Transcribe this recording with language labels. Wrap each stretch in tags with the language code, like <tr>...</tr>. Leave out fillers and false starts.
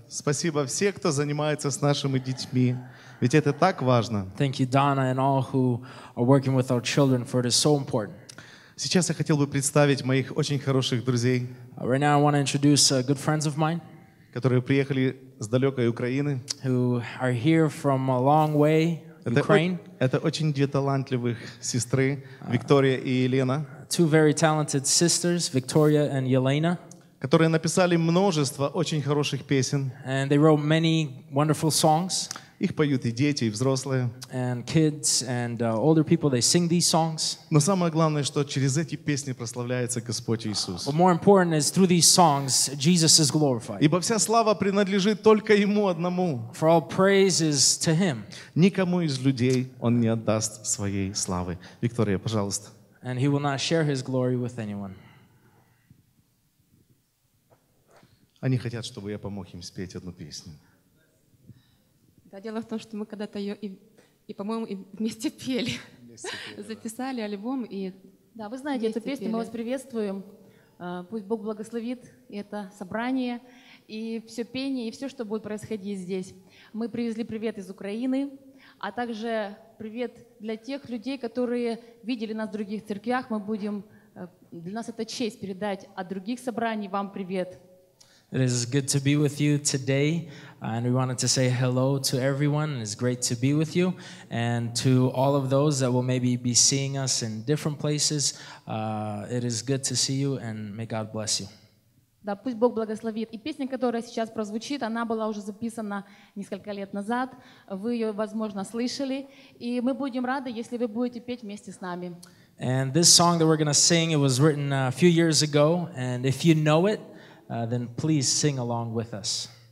<ru>Спасибо всем, кто занимается с нашими детьми. Ведь это так важно.</ru> <en>Thank you, Donna, and all who are working with our children, for it is so important.</en> <ru>Сейчас я хотел бы представить моих очень хороших друзей.</ru> <en>Right now I want to introduce good friends of mine,</en> <ru>которые приехали с далекой Украины.</ru> <en>Who are here from a long way, Ukraine.</en> <ru>Это очень две талантливых сестры, Виктория и Елена.</ru> <en>Two very talented sisters, Victoria and Yelena,</en> <ru>которые написали множество очень хороших песен.</ru> <en>And they wrote many wonderful songs.</en> <ru>Их поют и дети, и взрослые.</ru> <en>And kids and older people, they sing these songs.</en> <ru>Но самое главное, что через эти песни прославляется Господь Иисус.</ru> <en>But more important is through these songs, Jesus is glorified.</en> <ru>Ибо вся слава принадлежит только Ему одному.</ru> <en>For all praise is to Him.</en> <ru>Никому из людей Он не отдаст своей славы. Виктория, пожалуйста.</ru> <en>And he will not share his glory with anyone.</en> <ru>Они хотят, чтобы я помог им спеть одну песню. Да, дело в том, что мы когда-то ее и по-моему, и вместе пели. Записали альбом и... Да, вы знаете эту песню, мы вас приветствуем. Пусть Бог благословит это собрание. и все пение, и все, что будет происходить здесь. Мы привезли привет из Украины, а также привет для тех людей, которые видели нас в других церквях. Мы будем, для нас это честь передать от других собраний вам привет.</ru> <en>It is good to be with you today, and we wanted to say hello to everyone. It's great to be with you, and to all of those that will maybe be seeing us in different places, it is good to see you, and may God bless you.</en> <ru>Да, пусть Бог благословит. И песня, которая сейчас прозвучит, она была уже записана несколько лет назад. Вы ее, возможно, слышали. И мы будем рады, если вы будете петь вместе с нами.</ru> <en>And this song that we're going to sing, it was written a few years ago. And if you know it, then please sing along with us.</en>